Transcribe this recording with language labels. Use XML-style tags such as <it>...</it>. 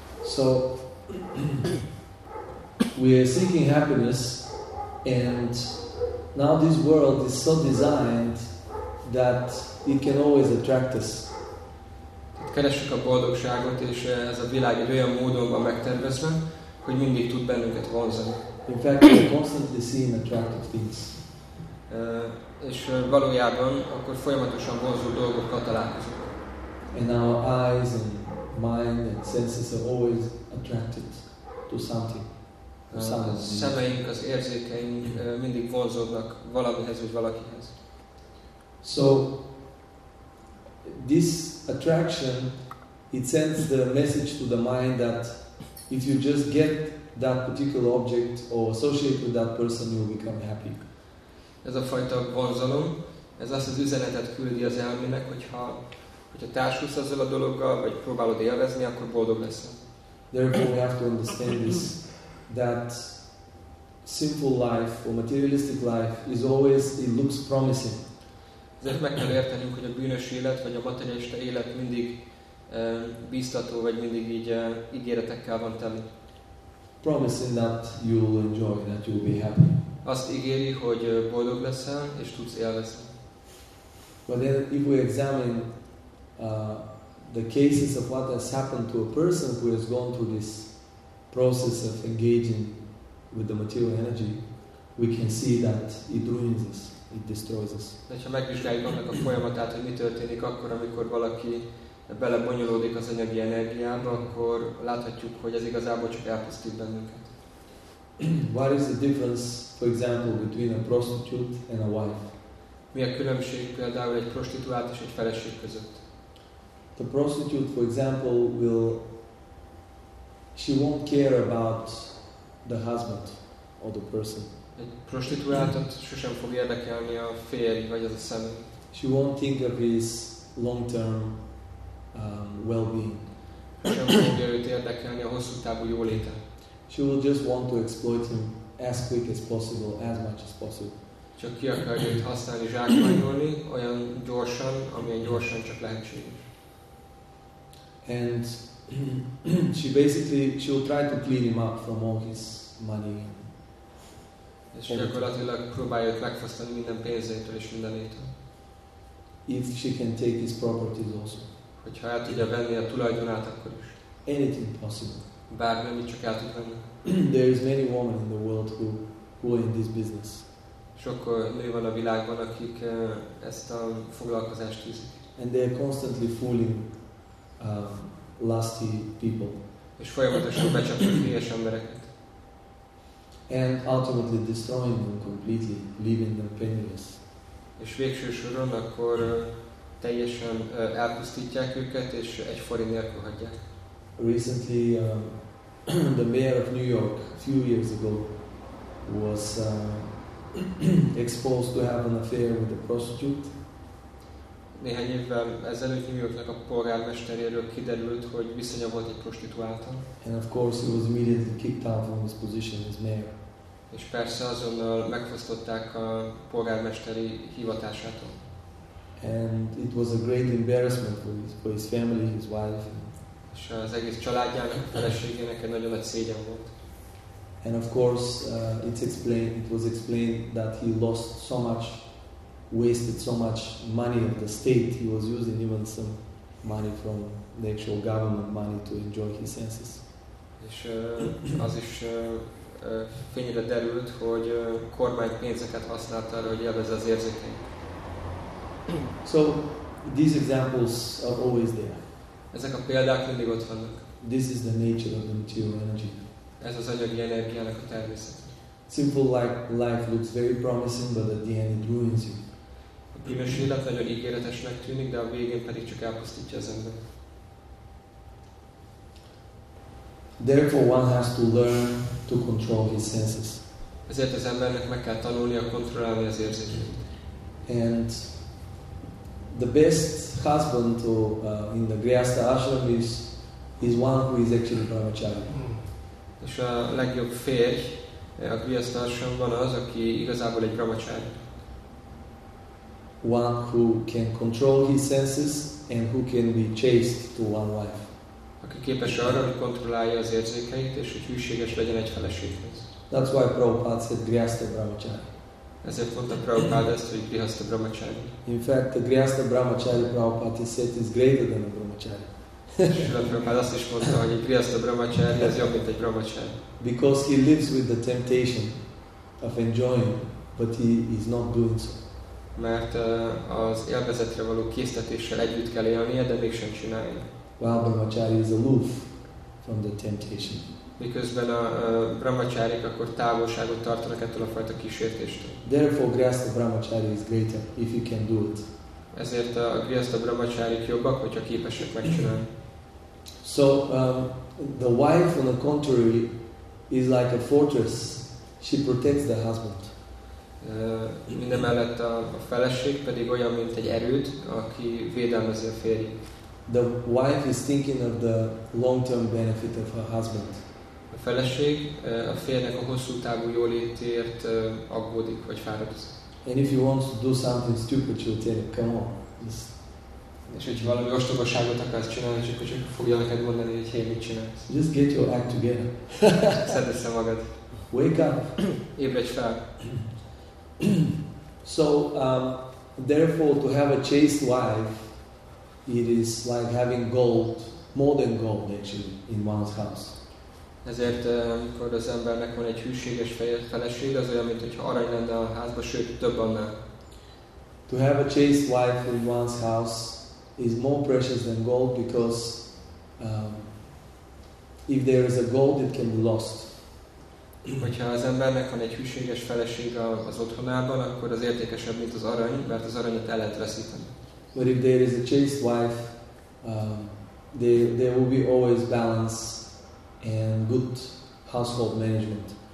<en>So we are seeking happiness, and now this world is so designed that it can always attract us.</en> <hu>Keresünk a boldogságot, és ez a világ egy olyan módon van megtervezve, hogy mindig tud bennünket vonzani.</hu> <en>In fact, we are constantly seeing attractive things.</en> <hu>És valójában akkor folyamatosan vonzó dolgokkal találkozunk.</hu> <en>And our eyes and mind and senses are always attracted to something.</en> <hu>Szemeink, az érzékeink mindig vonzódnak valamihez vagy valakihez.</hu> <en>So this attraction, it sends the message to the mind that if you just get that particular object or associate with that person, you will become happy.</en> <hu>Ez a fajta vonzalom, ez azt az üzenetet küldi az elmének, hogyha társulsz ezzel a dologgal, vagy próbálod élvezni, akkor boldog leszel.</hu> <en>Therefore we have to understand this, that simple life or materialistic life is always, it looks promising.</en> <hu>Ezért meg kell értenünk, hogy a bűnös élet, vagy a materialista élet mindig bíztató, vagy mindig így ígéretekkel van teli.</hu> <en>Promising that you'll enjoy, that you'll be happy.</en> <hu>azt ígéri, hogy boldog leszel és tudsz élvezni.</hu> <en>But then if we examine the cases of what has happened to a person who has gone through this process of engaging with the material energy, we can see that it ruins us, it destroys us.</en> <hu>De ha megvizsgáljuk annak a folyamatát, hogy mi történik akkor, amikor valaki belebonyolódik az anyagi energiába, akkor láthatjuk, hogy ez igazából csak elpusztít bennünket.</hu> <en>What is the difference, for example, between a prostitute and a wife?</en> <hu>Mi a különbség például egy prostituált és egy feleség között?</hu> <en>The prostitute, for example, she won't care about the husband or the person.</en> <hu>Egy prostituáltat sosem fog érdekelni a férj vagy az a személy.</hu> <en>She won't think of his long-term well-being.</en> <hu>Sosem fogja őt érdekelni a hosszú távú jóléte.</hu> <en>She will just want to exploit him as quick as possible, as much as possible.</en> <hu>Csak ki akarja őt használni, zsákmányolni olyan gyorsan, amilyen gyorsan csak lehetséges.</hu> <en>And she will try to clean him up from all his money.</en> <hu>És gyakorlatilag próbálja őt megfosztani minden pénzétől és mindenétől.</hu> <en>If she can take his properties also.</en> <hu>Hogyha el tudja venni a tulajdonát, akkor is.</hu> <en>Anything possible.</en> <hu>Bármi, amit csak el tud venni.</hu> <en>There is many women in the world who are in this business.</en> <hu>Sok nő van a világban, akik ezt a foglalkozást tűzik.</hu> <en>And they are constantly fooling lusty people.</en> <hu>És folyamatosan becsapnak hülyes embereket.</hu> <en>And ultimately destroying them completely, leaving them penniless.</en> <hu>És végső soron akkor teljesen elpusztítják őket, és egy forint nélkül hagyják.</hu> <en>Recently, the mayor of New York, a few years ago, was exposed to have an affair with a prostitute.</en> <hu>Néhány évvel ezelőtt New Yorknak a polgármesteréről kiderült, hogy viszonya volt egy prostituáltal.</hu> <en>And of course, he was immediately kicked out from his position as mayor.</en> <hu>És persze azonnal megfosztották a polgármesteri hivatásától.</hu> <en>And it was a great embarrassment for his family, his wife.</en> <hu>És az egész családjának, a feleségének egy nagyon nagy szégyen volt.</hu> <en>And of course, it was explained that he lost so much, wasted so much money of the state. He was using even some money from the actual government money to enjoy his senses.</en> <hu>És az is fényre derült, hogy kormány pénzeket használt arra, hogy élvezze az érzékeit.</hu> <en>So these examples are always there.</en> <hu>Ezek a példák mindig ott vannak.</hu> <en>This is the nature of the material energy.</en> <hu>Ez az anyagi energiának a természet.</hu> <en>Simple life looks very promising, but at the end it ruins you.</en> <hu>A bűnös élet nagyon ígéretesnek tűnik, de a végén pedig csak elpusztítja az ember.</hu> <en>Therefore one has to learn to control his senses.</en> <hu>Ezért az embernek meg kell tanulnia kontrollálni az érzéseit.</hu> <en>And the best husband in the Grihastha ashram is one who is actually brahmachari.</en> <hu>És a legjobb férj a Grihastha ashramban az, aki igazából egy brahmachari.</hu> <en>One who can control his senses and who can be chaste to one wife.</en> <hu>Aki képes arra, hogy kontrollálja az érzékeit és hogy hűséges legyen egy feleséghez.</hu> <en>That's why Prabhupada said Grihastha brahmachari.</en> <hu>Ezért mondta Prabhupada ezt, hogy Grihastha brahmachari.</hu> <en>In fact, a Grihastha brahmachari, Prabhupada said, is greater than a brahmachari.</en> <hu>Prabhupada azt is mondta, hogy egy Grihastha brahmachari az jobb, mint egy brahmachari.</hu> <en>Because he lives with the temptation of enjoying, but he is not doing so.</en> <hu>Mert az élvezetre való késztetéssel együtt kell élnie, de mégsem csinálja.</hu> <en>While brahmachari is aloof from the temptation.</en> <hu>Miközben a brahmacharik akkor távolságot tartanak ettől a fajta kísértéstől.</hu> <en>Therefore, Grihastha brahmachari is greater if he can do it.</en> <hu>Ezért a Grihastha brahmacharik jobbak, hogyha képesek megcsinálni.</hu> <en>So the wife, on the contrary, is like a fortress. She protects the husband.</en> <hu>Mindemellett a feleség pedig olyan, mint egy erőd, aki védelmezi a férjét.</hu> <en>The wife is thinking of the long-term benefit of her husband.</en> <hu>A feleség a férjének a hosszú távú jólétért aggódik vagy fáradozik.</hu> <en>And if you want to do something stupid, she'll tell you, come on.</en> <hu>És hogyha valami ostobaságot akarsz csinálni, akkor csak fogja neked mondani, hogy hé, mit csinálsz.</hu> <en>Just get your act together.</en> <hu>Szedd össze magad.</hu> <en>Wake up.</en> <hu>Ébredj fel.</hu> <en>So, therefore, to have a chaste wife, it is like having gold, more than gold actually, in one's house.</en> <hu>Ezért, amikor az embernek van egy hűséges feleség, az olyan, mint hogyha arany lenne a házba, sőt, több annál.</hu> <en>To have a chaste wife in one's house is more precious than gold, because if there is a gold, it can be lost.</en> <hu>Hogyha az embernek van egy hűséges feleség az otthonában, akkor az értékesebb, mint az arany, mert az aranyat el lehet veszíteni.</hu> <en>But if there is a chaste wife, there will be always balance and good household management.</en>